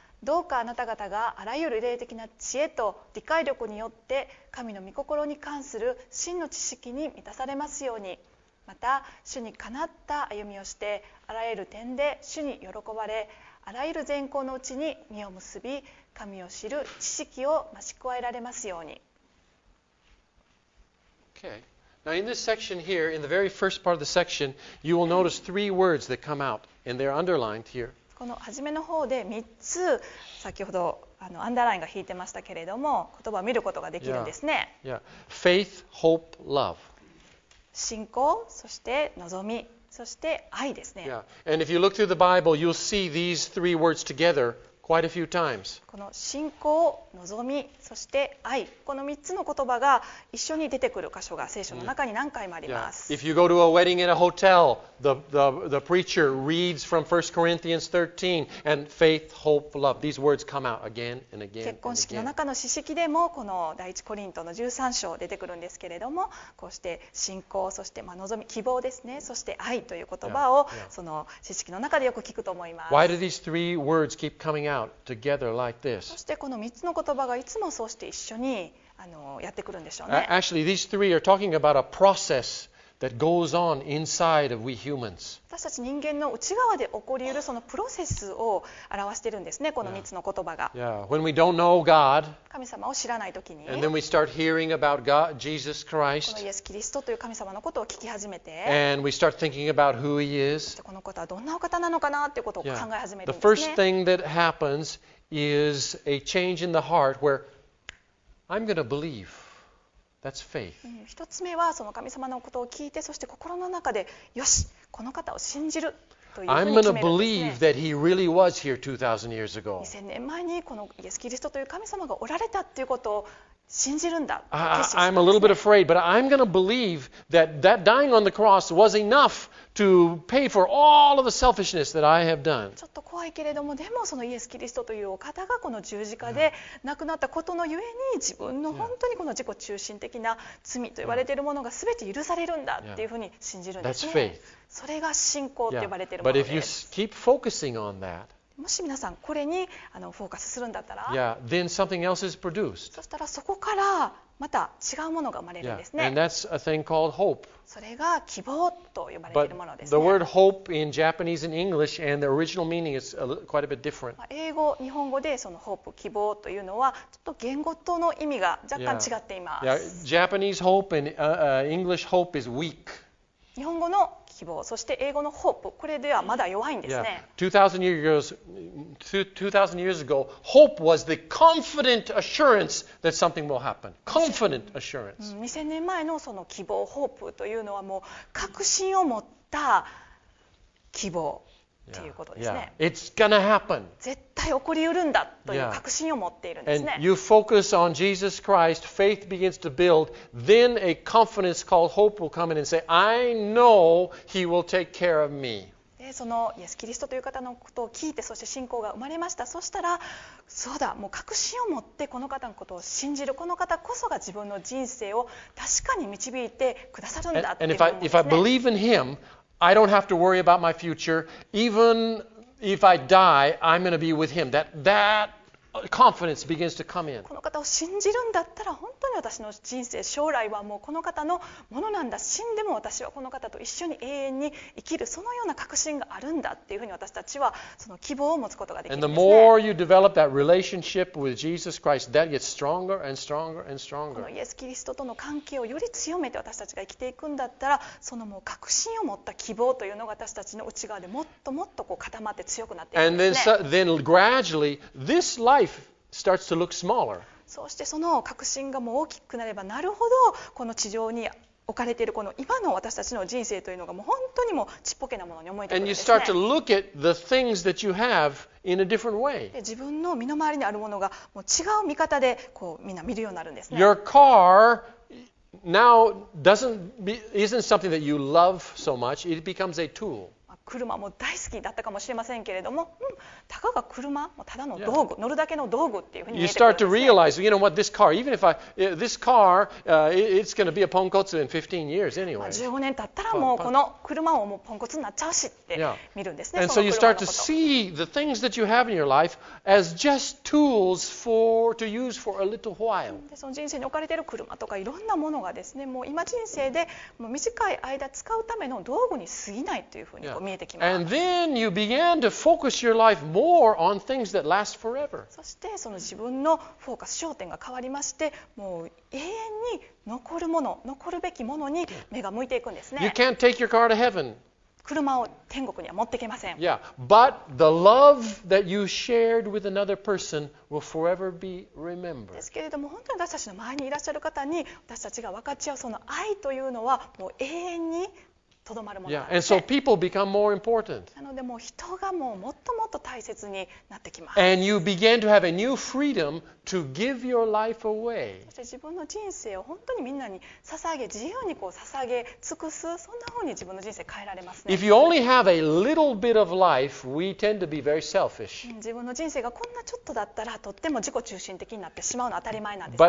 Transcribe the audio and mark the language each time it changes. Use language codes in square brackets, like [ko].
[ja] どうかあなた方があらゆる霊的な知恵と理解力によって神の御心に関する真の知識に満たされますように、また主にかなった歩みをしてあらゆる点で主に喜ばれ、あらゆる善行のうちに実を結び、神を知る知識を増し加えられますように。 [en] Okay. Now in this section here, in the very first part of the section, you will notice three words that come out, and they're underlined here. [ja] この初めの方で3つ、先ほどアンダーラインが引いてましたけれども、言葉を見ることができるんですね。 [en] Yeah. Yeah. Faith, hope, love. [ja] 信仰、そして望み。そして愛ですね。 [en] Yeah. And if you look through the Bible, you'll see these three words together quite a few times. [ja] この信仰、望み、そして愛、この3つの言葉が一緒に出てくる箇所が聖書の中に何回もあります。 [en] Yeah. If you go to a wedding in a hotel, the preacher reads from 1 Corinthians 13 and faith, hope, love. These words come out again and again. [ja] 結婚式の中の詩式でもこの第1コリントの13章出てくるんですけれども、こうして信仰、そしてまあ望み、希望ですね、そして愛という言葉を yeah. [en] Yeah. [ja] その詩式の中でよく聞くと思います。 [en] Why do these three words keep coming out together like this? [ja] そしてこの3つの言葉がいつもそうして一緒にやってくるんでしょうね。 [en] Actually, these three are talking about a process that goes on inside of we humans. [ja] 私たち人間の内側で起こりうるそのプロセスを表しているんですね、この3つの言葉が。 [en] Yeah. When we don't know God, [ja] 神様を知らないときに、 [en] and then we start hearing about God, Jesus Christ, [ja] このイエス・キリストという神様のことを聞き始めて、 [en] and we start thinking about who he is, [ja] このことはどんなお方なのかなということを考え始めるんですね。 [en] The first thing that happens is a change in the heart where I'm going to believe. That's faith. [ja] 一つ目はその神様のことを聞いて、そして心の中でよし、この方を信じるというふうに決めるんですね。 [en] I'm going to believe that he really was here 2000 [ja] 年前にこのイエス・キリストという神様がおられたということを信じるんだ。 [en] I'm a little bit afraid, but I'm going to believe that that dying on the cross was enough to pay for all of the selfishness that I have done. [ja] ちょっと怖いけれども、でもそのイエス・キリストというお方がこの十字架で亡くなったことのゆえに、自分の本当にこの自己中心的な罪と言われているものが全て許されるんだっていうふうに信じるんですね。 [en] That's faith. [ja] それが信仰と呼ばれているものです。 [en] Yeah. But if you keep focusing on that, [ja] もし皆さんこれにフォーカスするんだったら、 [en] yeah, then something else is produced. [ja] そしたらそこからまた違うものが生まれるんですね。 [en] Yeah. And that's a thing called hope. [ja] それが希望と呼ばれているものですね。 [en] The word hope in Japanese and English and the original meaning is quite a bit different. [ja] 英語、日本語でそのホープ、希望というのはちょっと言語との意味が若干違っています。 [en] Yeah. Yeah. Japanese hope and English hope is weak. [ja] 日本語の希望、そして英語のホープ、これではまだ弱いんですね。 [en] Yeah. 2000 years ago, 2000 years ago, hope was the confident assurance that something will happen. Confident assurance. [ja] 2000年前のその希望、ホープというのはもう確信を持った希望ということですね。 [en] Yeah. It's gonna happen. [ja] 絶対起こりうるんだという確信を持っているんですね。 [en] And you focus on Jesus Christ, faith begins to build. Then a confidence called hope will come in and say, I know he will take care of me. [ja] でそのイエス・キリストという方のことを聞いてそして信仰が生まれました。そしたらそうだもう確信を持ってこの方のことを信じるこの方こそが自分の人生を確かに導いてくださるんだって思うんですね。 [en] And if I believe in him, I don't have to worry about my future. Even if I die, I'm going to be with him. That confidence begins to come in. [ja] この方を信じるんだったら本当に私の人生将来はもうこの方のものなんだ。死んでも私はこの方と一緒に永遠に生きるそのような確信があるんだっていうふうに私たちはその希望を持つことができるんですね。 [en] And the more you develop that relationship with Jesus Christ, that gets stronger and stronger and stronger. [ja] このイエス・キリストとの関係をより強めて私たちが生きていくんだったらそのもう確信を持った希望というのが私たちの内側でもっともっとこう固まって強くなっていくんですね。 [en] And then gradually this lifeStarts to look smaller. [ja] そしてその確信がもう大きくなればなるほどこの地上に置かれているこの今の私たちの人生というのがもう本当にもちっぽけなものに思えてくるんですね。 [en] And you start to look at the things that you have in a different way. [ja] 自分の身の回りにあるものがもう違う見方でこうみんな見るようになるんですね。 [en] Your car now isn't something that you love so much. It becomes a tool. [ja] 車も大好きだったかもしれませんけれども、たかが車、ただの道具、乗るだけの道具っていうふうに見えてくるんですね。 [en] You start to realize, you know what, this car, even if I, this car, it's going to be a ポンコツ in 15 years anyway. [ja] 15年経ったらもうこの車をもうポンコツになっちゃうしって見るんですね。 [en] And so you start to see the things that you have in your life as just tools to use for a little while. [ja] でその人生に置かれている車とかいろんなものがですね、もう今人生でもう短い間使うための道具に過ぎないというふうに。 [en] And then you began to focus your life more on things that last forever. [ja] そしてその自分のフォーカス焦点が変わりまして、もう永遠に残るもの、残るべきものに目が向いていくんですね。 [en] You can't take your car to heaven. [ja] 車を天国には持っていけません。 [en] Yeah, but the love that you shared with another person will forever be remembered. [ja] ですけれども本当に私たちの前にいらっしゃる方に私たちが分かち合うその愛というのはもう永遠に。 [en] Yeah, and so people become more important. [ja] なのでもう人がもうもっともっと大切になってきます。 [en] And you begin to have a new freedom to give your life away. [ja] そして自分の人生を本当にみんなに捧げ、自由にこう捧げ尽くす、そんな風に自分の人生変えられますね。 [en] If you only have a little bit of life, we tend to be very selfish. [ja] 自分の人生がこんなちょっとだったらとっても自己中心的になってしまうの当たり前なんですね。